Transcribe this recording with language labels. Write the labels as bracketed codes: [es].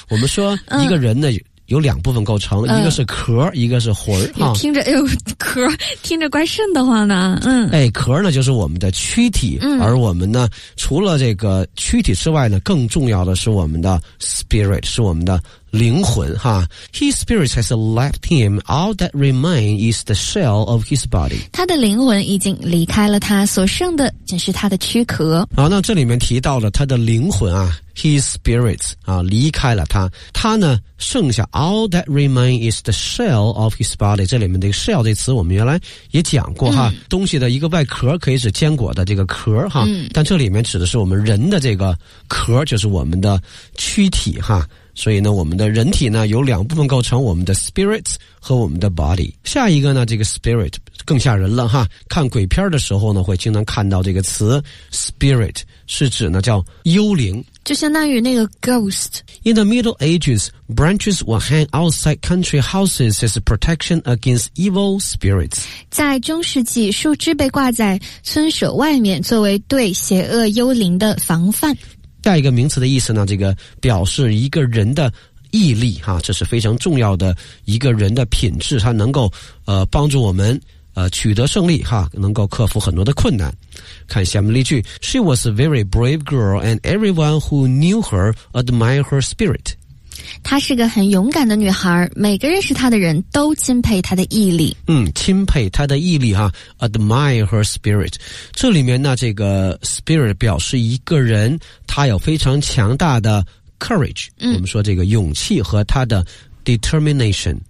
[zh] 我们说一个人呢。有两部分构成，一个是壳，一个是魂儿。听着，壳听着怪瘆得慌呢。壳呢就是我们的躯体，而我们呢，除了这个躯体之外呢，更重要的是我们的 spirit， 是我们的灵魂哈。 [en] His spirit has left him. All that remains is the shell of his body. [zh] 他的灵魂已经离开了他，所剩的只是他的躯壳。好，那这里面提到了他的灵魂啊。 [en] His spirit [zh] 啊，离开了他，他呢剩下 [en] all that remains is the shell of his body。 [zh] 这里面的 shell 这词我们原来也讲过哈，东西的一个外壳可以指坚果的这个壳哈，但这里面指的是我们人的这个壳，就是我们的躯体哈。所以呢，我们的人体呢有两部分构成，我们的 spirit 和我们的 body。下一个呢，这个 spirit 更吓人了哈，看鬼片的时候呢，会经常看到这个词 spirit， 是指呢叫幽灵。就相当于那个 ghost。 [en] In the Middle Ages, branches were hung outside country houses as protection against evil spirits. [zh] 在中世纪，树枝被挂在村舍外面，作为对邪恶幽灵的防范。下一个名词的意思呢，这个表示一个人的毅力哈、啊，这是非常重要的一个人的品质，它能够帮助我们取得胜利哈、啊，能够克服很多的困难。看下面例句 [en] ，She was a very brave girl, and everyone who knew her admired her spirit. [zh] 她是个很勇敢的女孩，每个认识她的人都钦佩她的毅力。钦佩她的毅力哈、啊、， [en] admire her spirit。 [zh] 这里面呢，这个 spirit 表示一个人他有非常强大的 courage。我们说这个勇气和他的 determination。